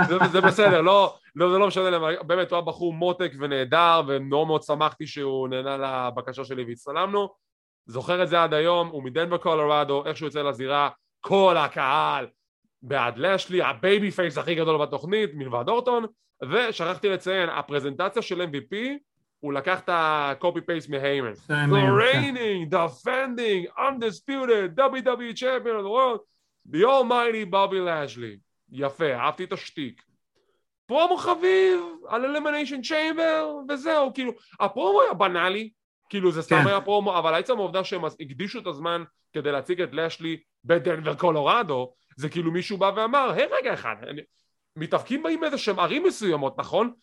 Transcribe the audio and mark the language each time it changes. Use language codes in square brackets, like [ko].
[he] זה בסדר, זה לא משנה, באמת, הוא היה בחור מותק ונהדר, ומאוד מאוד שמחתי שהוא נהנה לבקשה שלי והצטלמנו. זוכר את זה עד היום, הוא מדנבר קולורדו, איך שהוא יוצא לזירה, כל הקהל, בעד לשלי, הבייבי פייס הכי גדול בתוכנית, מלבד אורטון, ושכחתי לציין, הפרזנטציה של MVP, הוא לקח את הקופי-פייס מהיימן. [en] The reigning, defending, undisputed, WWE champion of the world, the almighty Bobby Lashley. [he] יפה, אהבתי את השתיק. פרומו חביב על Elimination Chamber, וזהו, כאילו, הפרומו היה בנאלי, כאילו זה סתם היה פרומו, אבל עצם העובדה שהם הקדישו את הזמן כדי להציג את לשלי בדנבר קולורדו, זה כאילו מישהו בא ואמר, היי רגע אחד, מתאפקים באים איזה שהם ערים מסוימות, נכון?